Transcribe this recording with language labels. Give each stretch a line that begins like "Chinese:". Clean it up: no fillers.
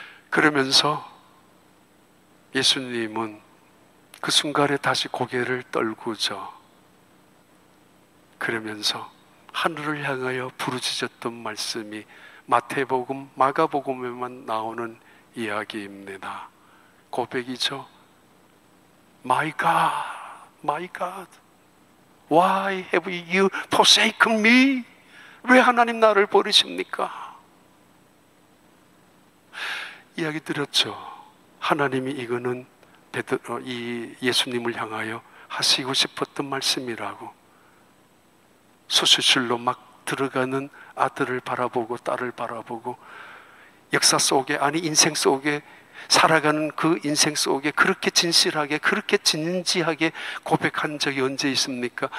Korean: 그러면서 예수님은 그 순간에 다시 고개를 떨구죠. 그러면서 하늘을 향하여 부르짖었던 말씀이 마태복음, 마가복음에만 나오는 이야기입니다. 고백이죠.
English: My God, My God, why have you forsaken me?
Korean: 왜 하나님 나를 버리십니까? 이야기 드렸죠. 하나님이 이거는 이 예수님을 향하여 하시고 싶었던 말씀이라고 수술실로 막 들어가는 아들을 바라보고 딸을 바라보고 역사 속에 아니 인생 속에 살아가는 그 인생 속에 그렇게 진실하게 그렇게 진지하게 고백한 적이 언제 있습니까?